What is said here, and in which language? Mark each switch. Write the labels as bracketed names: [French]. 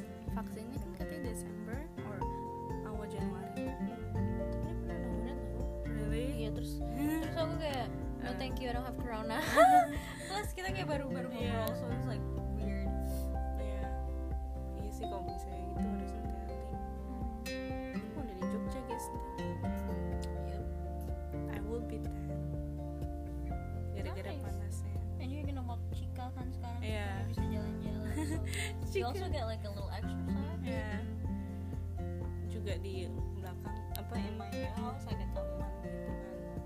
[Indonesian] Vaksinnya kan katanya Desember or awal Januari. Tapi dia pernah nungguin tuh. [English] Really? Iya, yeah, [Indonesian] terus aku kayak, [English] no thank you, I don't have corona. [Indonesian] Plus kita kayak baru-baru ngobrol, [English] yeah. So it's like weird. Yeah. [Indonesian] Iya sih, kalau misalnya gitu harus hati-hati. Aku udah di Jogja, guys. [English] Yep. I will be there. [Indonesian] Gara-gara [English] nice. [Indonesian] Panasnya. [English] And you're gonna walk Chica [Indonesian] kan sekarang. Iya, yeah. Bisa jalan-jalan. [English] So. You also get like a little exercise. [Indonesian] Iya, yeah. Juga di belakang. Apa emang ya, harus ada taman gitu kan.